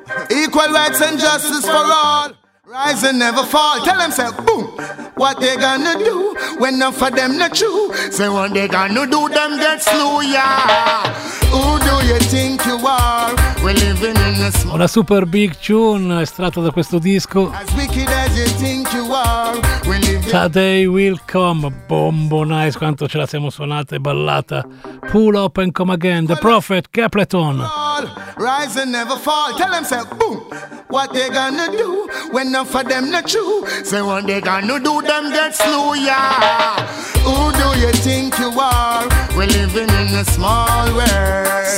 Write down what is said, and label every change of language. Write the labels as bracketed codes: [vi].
[en] Equal rights and justice for all. Rise and never fall. Tell them, say, boom. What they gonna do when none of them not true? Say, what they gonna do, them get slew, yeah. Who do you think you are? We're living in a small... [it] Una [en] super big tune [it] estratta da questo disco. [en] As wicked as you think you are. Today will come, [it] bombo nice, quanto ce la siamo suonata e ballata. [en] Pull up and come again, The Prophet Capleton. Rise and never fall, tell them say, boom. What they gonna do when none of them not true? Say what they gonna do, them get slew, yeah. Who do you think you are? We're living in a small world.